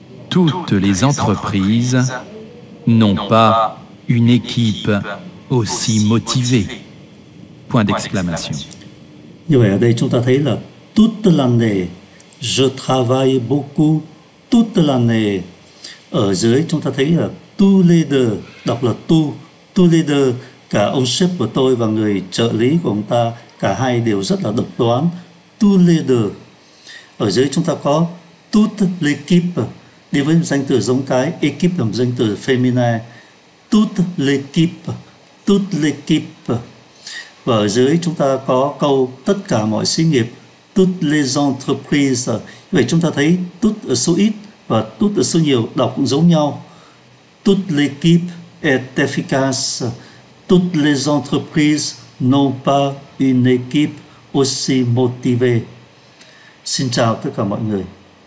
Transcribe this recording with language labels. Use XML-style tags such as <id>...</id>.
<fr>Toutes les entreprises n'ont pas une équipe aussi motivée. Point d'exclamation.</fr> <vi>Như vậy ở đây chúng ta thấy là</vi> <fr>toute l'année, je travaille beaucoup toute l'année.</fr> <vi>Ở dưới chúng ta thấy là</vi> <fr>tous les deux,</fr> <vi>đọc là tous les deux, cả ông sếp của tôi và người trợ lý của ông ta, cả hai đều rất là độc đoán, tous les deux. Ở dưới chúng ta có</vi> <fr>toute l'équipe,</fr> <vi>đi với danh từ giống cái, équipe là danh từ féminin, toute l'équipe, toute l'équipe. Và ở dưới chúng ta có câu tất cả mọi xí nghiệp,</vi> <fr>toutes les entreprises.</fr> <vi>Vậy chúng ta thấy tout ở số ít và tout ở số nhiều đọc cũng giống nhau.</vi> <fr>Toute l'équipe est efficace. Toutes les entreprises n'ont pas une équipe aussi motivée.</fr> <vi>Xin chào tất cả mọi người.</vi>